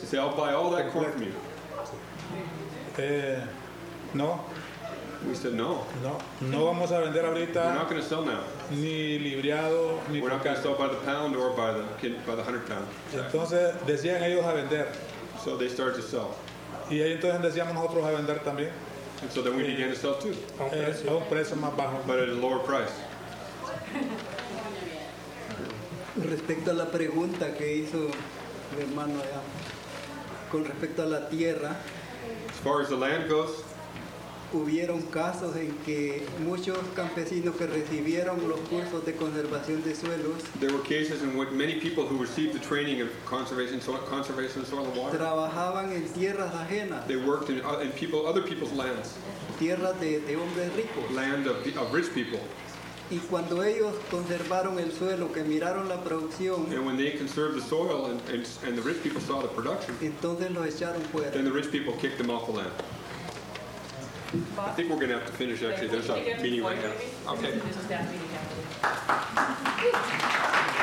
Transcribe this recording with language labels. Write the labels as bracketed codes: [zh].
[en] They say, I'll buy all that corn from you. [es] No. [en] We said, no. [es] No, no vamos a vender ahorita. [en] We're not going to sell now. [es] Ni libreado, ni [en] we're picado. Not going to sell by the pound or by the 100 pound. [es] Sorry. Entonces, decían ellos a vender. [en] So they started to sell. [es] Y ahí entonces decíamos nosotros a vender también. [en] And so then we began to sell too. [es] A un precio más bajo. [en] But at a lower price. [es] Respecto a la pregunta que hizo mi hermano allá, con respecto a la tierra, [en] as far as the land goes, [es] hubieron casos en que muchos campesinos que recibieron los cursos de conservación de suelos, [en] there were cases in which many people who received the training of conservation of soil and water, [es] trabajaban en tierras ajenas, [en] they worked in other people's lands, [es] tierras de hombres ricos, [en] land of rich people. [es] Y cuando ellos conservaron el suelo, que miraron la producción, [en] and when they conserved the soil and the rich people saw the production, [es] entonces los echaron fuera. [en] Then the rich people kicked them off the land. I think we're going to have to finish, actually. There's a meeting right now. Okay.